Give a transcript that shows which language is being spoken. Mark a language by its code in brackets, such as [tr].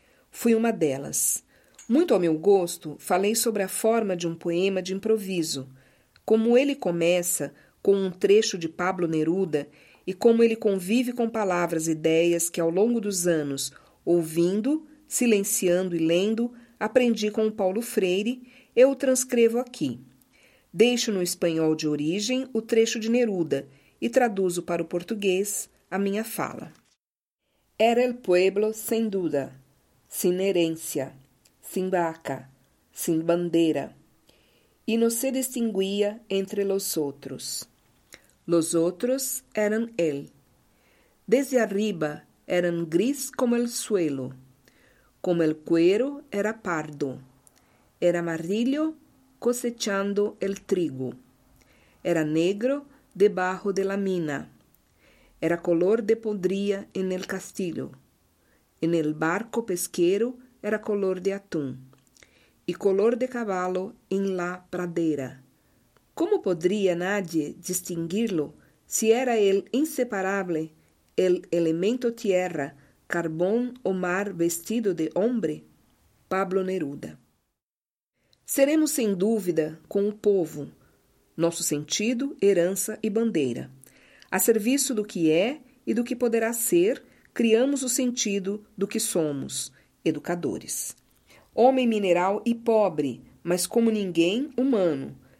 [pt] Fui uma delas. Muito ao meu gosto, falei sobre a forma de um poema de improviso, como ele começa com um trecho de Pablo Neruda e como ele convive com palavras e ideias que, ao longo dos anos, ouvindo, silenciando e lendo, aprendi com o Paulo Freire, eu o transcrevo aqui. Deixo no espanhol de origem o trecho de Neruda e traduzo para o português a minha fala. [es] Era el pueblo sem duda, sin herencia, sin vaca, sin bandera, y no se distinguía entre los otros. Los otros eran él. Desde arriba eran gris como el suelo, como el cuero era pardo, era amarillo cosechando el trigo, era negro debajo de la mina, era color de podría en el castillo, en el barco pesquero era color de atún, y color de caballo en la pradera. ¿Cómo podría nadie distinguirlo si era el inseparable, el elemento tierra, carbón o mar vestido de hombre? [pt] Pablo Neruda. Seremos sem dúvida com o povo, nosso sentido, herança e bandeira. A serviço do que é e do que poderá ser, criamos o sentido do que somos, educadores. Homem mineral e pobre, mas como ninguém, humano.